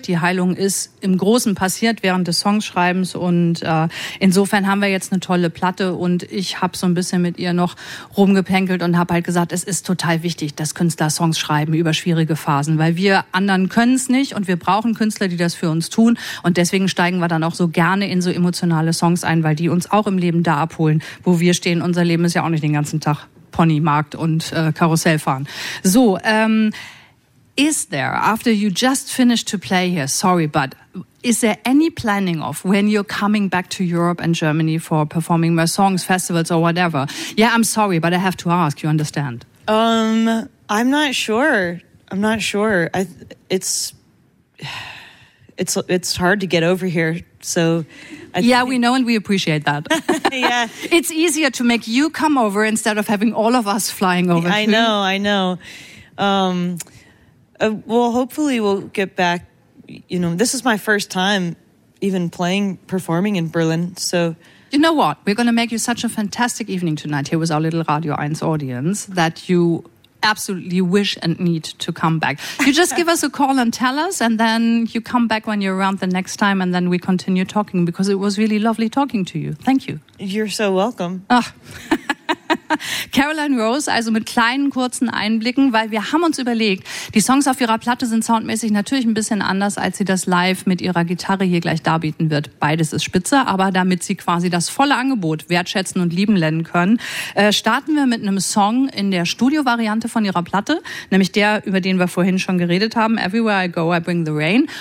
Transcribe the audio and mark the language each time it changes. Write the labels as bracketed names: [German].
[German] Die Heilung ist im Großen passiert während des Songschreibens, und insofern haben wir jetzt eine tolle Platte, und ich habe so ein bisschen mit ihr noch rumgeplänkelt und habe halt gesagt, es ist total wichtig, dass Künstler Songs schreiben über schwierige Phasen, weil wir anderen können es nicht und wir brauchen Künstler, die das für uns tun, und deswegen steigen wir dann auch so gerne in so emotionale Songs ein, weil die uns auch im Leben da abholen, wo wir stehen. Unser Leben ist ja auch nicht den ganzen Tag Ponymarkt und Karussell fahren. [English] So, is there, after you just finished to play here, sorry, but is there any planning of when you're coming back to Europe and Germany for performing more songs, festivals or whatever? Yeah, I'm sorry, but I have to ask, you understand? I'm not sure. It's hard to get over here, so We know, and we appreciate that. Yeah. It's easier to make you come over instead of having all of us flying over. I know. Well, hopefully we'll get back. You know, this is my first time even performing in Berlin. So, you know what? We're going to make you such a fantastic evening tonight here with our little Radio 1 audience that you absolutely wish and need to come back. You just give us a call and tell us, and then you come back when you're around the next time, and then we continue talking, because it was really lovely talking to you. Thank you. You're so welcome. [German] Caroline Rose, also mit kleinen, kurzen Einblicken, weil wir haben uns überlegt, die Songs auf ihrer Platte sind soundmäßig natürlich ein bisschen anders, als sie das live mit ihrer Gitarre hier gleich darbieten wird. Beides ist spitze, aber damit sie quasi das volle Angebot wertschätzen und lieben lernen können, starten wir mit einem Song in der Studio-Variante von ihrer Platte, nämlich der, über den wir vorhin schon geredet haben, Everywhere I Go, I Bring the Rain.